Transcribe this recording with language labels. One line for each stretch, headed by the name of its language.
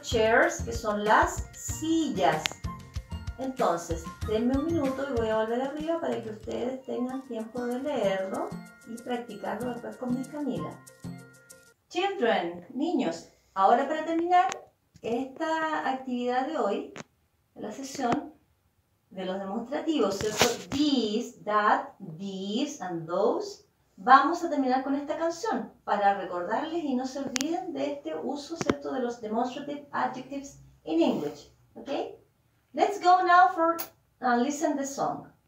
Spanish: Chairs, que son las sillas. Entonces, denme un minuto y voy a volver arriba para que ustedes tengan tiempo de leerlo y practicarlo después con mi Camila. Children, niños, ahora para terminar esta actividad de hoy, la sesión de los demostrativos, ¿cierto?
English: These, that, these, and those.
Spanish: Vamos a terminar con esta canción para recordarles y no se olviden de este uso, ¿cierto?, de los
English: demonstrative adjectives in English.
Spanish: ¿Ok?
English: Let's go now for listen the song.